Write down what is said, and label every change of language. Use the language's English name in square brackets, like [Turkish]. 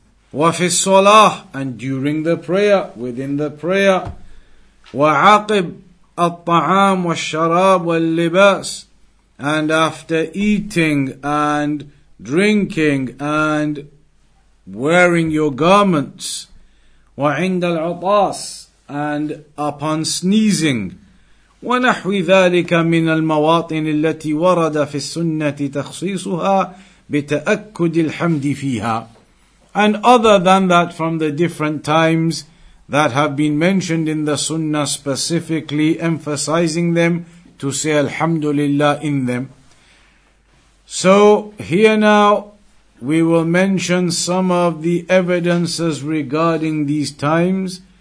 [Arabic] wa fi salah, [English] and during the prayer, within the prayer, [Arabic] wa aqib at-ta'am wash-sharab wal-libas, [English] and after eating and drinking and wearing your garments, [Arabic] wa 'inda al-'atas, [English] and upon sneezing. [Arabic] ونحو ذلك من المواطن التي ورد في السنة تخصيصها بتأكد الحمد فيها. [English] And other than that, from the different times that have been mentioned in the Sunnah specifically emphasizing them to say Alhamdulillah in them. So here now we will mention some of the evidences regarding these times.